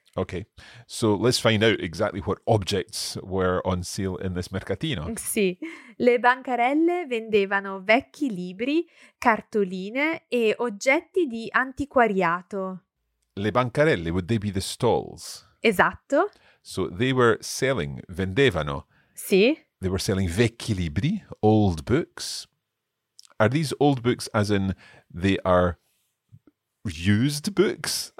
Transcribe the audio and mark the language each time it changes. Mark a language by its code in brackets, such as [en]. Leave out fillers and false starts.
[en] Okay, so let's find out exactly what objects were on sale in this mercatino. [it] Sì, le bancarelle vendevano vecchi libri, cartoline e oggetti di antiquariato. Le bancarelle, [en] would they be the stalls? [it] Esatto. [en] So they were selling, vendevano. [it] Sì. [en] They were selling [it] vecchi libri, [en] old books. Are these old books as in they are used books?